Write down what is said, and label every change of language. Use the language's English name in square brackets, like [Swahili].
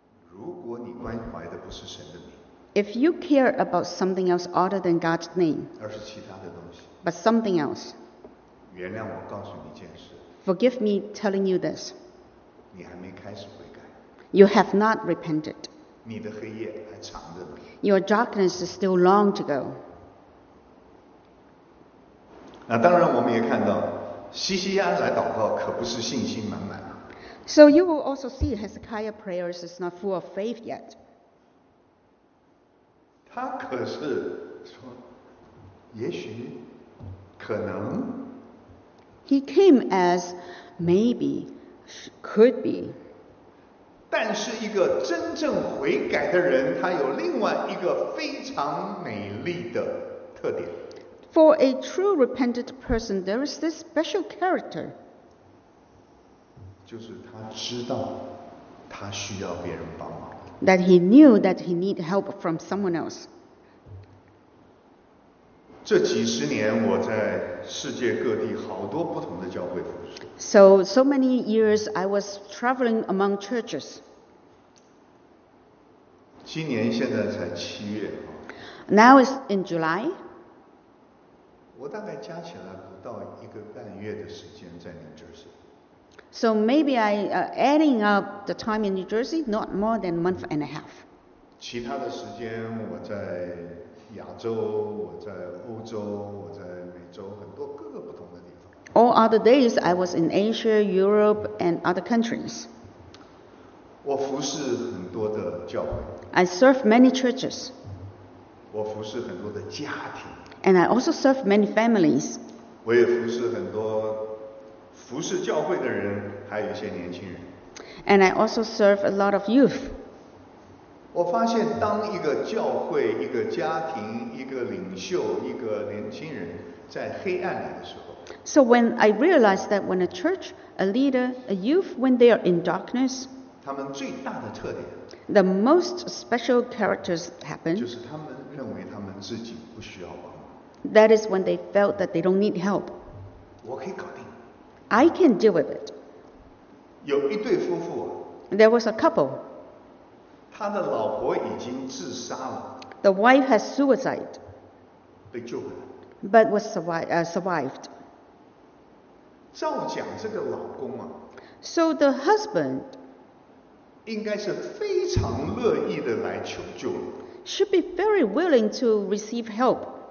[Chinese] 如果你关怀的不是神的名 [English] ，If you care about something else other than God's name， [Chinese] 而是其他的东西 [English] ，But something else， [Chinese] 原谅我告诉你一件事。 [English] Forgive me telling you this. [Chinese] 你还没开始悔改。 [English] You have not repented. [Chinese] 你的黑夜还长着呢。 [English] Your darkness is still long to go. [Chinese] 那当然，我们也看到西西亚来祷告可不是信心满满啊。 [English] So you will also see Hezekiah's prayers is not full of faith yet. [Chinese] 他可是说，也许，可能。 [English] He came as maybe, could be. [Chinese] 但是一个真正悔改的人，他有另外一个非常美丽的特点。 [English] For a true repentant person, there is this special character. [Chinese] 就是他知道他需要别人帮忙。 [English] That he knew that he need help from someone else. [Chinese] 这几十年我在世界各地好多不同的教会服侍。 [English] So many years I was traveling among churches. [Chinese] 今年现在才七月。 [English] Now it's in July. [Chinese] 我大概加起来不到一个半月的时间在 New Jersey. [English] So maybe I adding up the time in New Jersey, not more than a month and a half. [Chinese] 其他的时间我在亚洲，我在欧洲，我在美洲，很多各个不同的地方。 [English] All other days, I was in Asia, Europe, and other countries. [Chinese] 我服侍很多的教会。 [English] I serve many churches. [Chinese] 我服侍很多的家庭。 [English] And I also serve many families. [Chinese] 我也服侍很多服侍教会的人，还有一些年轻人。 [English] And I also serve a lot of youth. [Chinese] 我发现当一个教会一个家庭一个领袖一个年轻人在黑暗里的时候 [English] So when I realized that when a church, a leader, a youth, when they are in darkness [Chinese] 他们最大的特点 [English] The most special characters happen [Chinese] 就是他们认为他们自己不需要帮忙 [English] That is when they felt that they don't need help [Chinese] 我可以搞定 [English] I can deal with it [Chinese] 有一对夫妇 [English] There was a couple [Chinese] 他的老婆已经自杀了。 [English] The wife has suicide. [Chinese] 被救回来。 [English] But was survived. [Chinese] 照讲这个老公啊。 [English] So the husband. [Chinese] 应该是非常乐意的来求救了。 [English] Should be very willing to receive help.